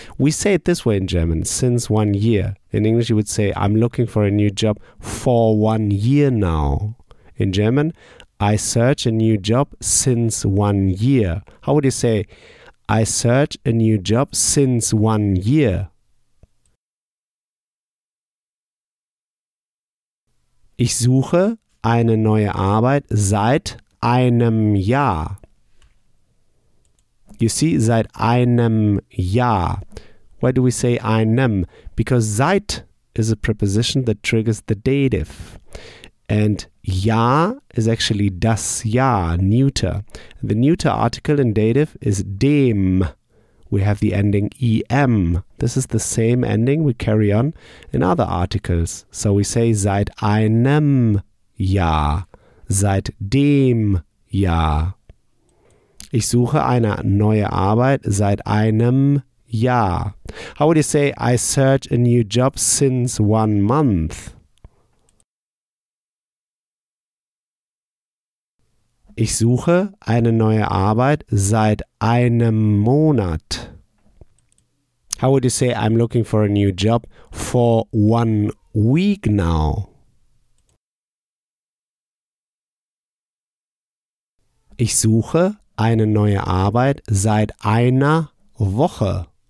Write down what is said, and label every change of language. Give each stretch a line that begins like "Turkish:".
English: We say it this way in German, since 1 year. In English, you would say I'm looking for a new job for 1 year now. In German, I search a new job since 1 year. How would you say I search a new job since 1 year?
German: Ich suche eine neue Arbeit seit einem Jahr.
English: You see,
German: seit einem Jahr.
English: Why do we say einem? Because seit is a preposition that triggers the dative. And Jahr is actually das Jahr, neuter. The neuter article in dative is dem. We have the ending em. This is the same ending we carry on in other articles. So we say
German: seit einem Jahr, seit dem Jahr. Ich suche eine neue Arbeit seit einem Jahr.
English: How would you say I search a new job since 1 month?
German: Ich suche eine neue Arbeit seit einem Monat.
English: How would you say I'm looking for a new job for 1 week now?
German: Ich suche eine neue Arbeit seit einer Woche.